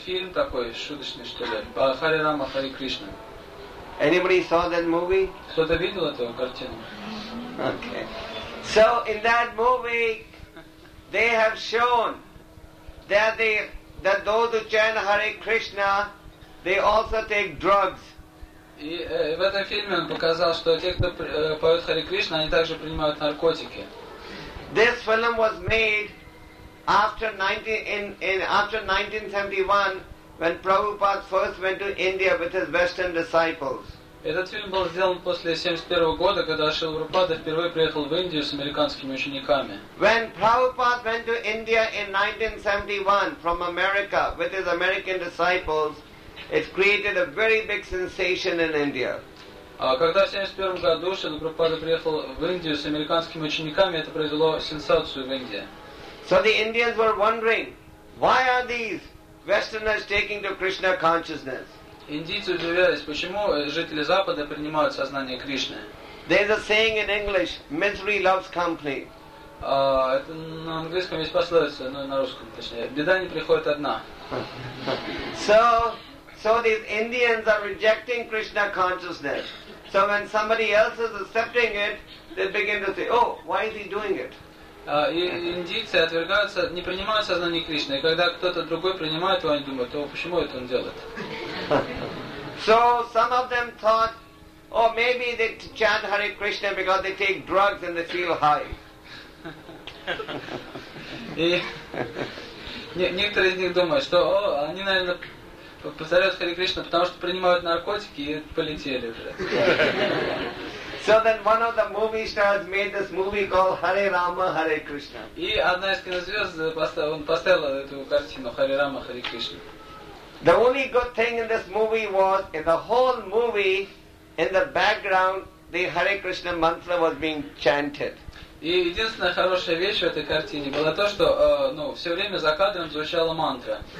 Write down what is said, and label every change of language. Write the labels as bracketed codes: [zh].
[ru] Фильм такой шуточный, что ли? [sa] Hare Rama, Hare Krishna. [en] Anybody saw that movie? [ru] Кто-то видел эту картину? [en] Okay. So in that movie, they have shown that those who chant Hare Krishna, they also take drugs. [ru] И в этом фильме он показал, что те, кто поет Hare Krishna, они также принимают наркотики. [en] This film was made after 1971, when Prabhupada first went to India with his Western disciples. [ru] Этот фильм был сделан после 71 года, когда Шрила Прабхупада впервые приехал в Индию с американскими учениками. [en] When Prabhupada went to India in 1971 from America with his American disciples, it created a very big sensation in India. [ru] Когда в 71 году Шрила Прабхупада приехал в Индию с американскими учениками, это произвело сенсацию в Индии. [en] So the Indians were wondering, why are these Westerners taking to Krishna consciousness? [ru] Индийцы удивлялись, почему жители Запада принимают сознание Кришны. [en] There is a saying in English, misery loves company. [ru] Это на английском есть пословица, но на русском точнее. Беда не приходит одна. [en] So these Indians are rejecting Krishna consciousness. So when somebody else is accepting it, they begin to say, oh, why is he doing it? [ru] Индийцы отвергаются, не принимают сознание Кришны. И когда кто-то другой принимает его, они думают, о, почему это он делает? [en] So some of them thought, oh, maybe they chant Hare Krishna because they take drugs and they feel high. [ru] И некоторые из них думают, что они, наверное, повторяют Hare Krishna, потому что принимают наркотики и полетели уже. [en] So then one of the movie stars made this movie called Hare Rama, Hare Krishna. [ru] И одна из кинозвезд поставила эту картину Hare Rama, Hare Krishna. [en] The only good thing in this movie was, in the whole movie, in the background, the Hare Krishna mantra was being chanted. [ru] И единственная хорошая вещь в этой картине была то, что все время за кадром звучала мантра.